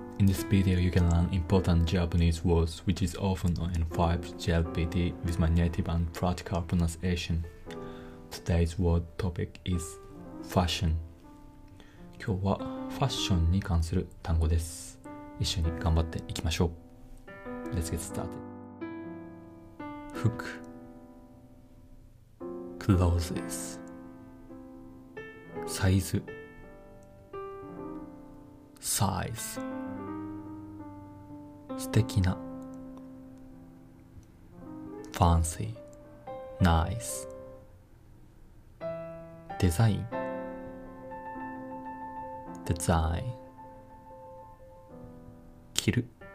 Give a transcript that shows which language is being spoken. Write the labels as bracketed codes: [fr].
[en] In this video, you can learn important Japanese words, which is often on N5 JLPT with my native and practical pronunciation. Today's word topic is fashion. [ja] 今日はファッションに関する単語です。一緒に頑張っていきましょう。 [en] Let's get started. 服 Clothes サイズ Size 素敵な Fancy Nice デザイン Design 着る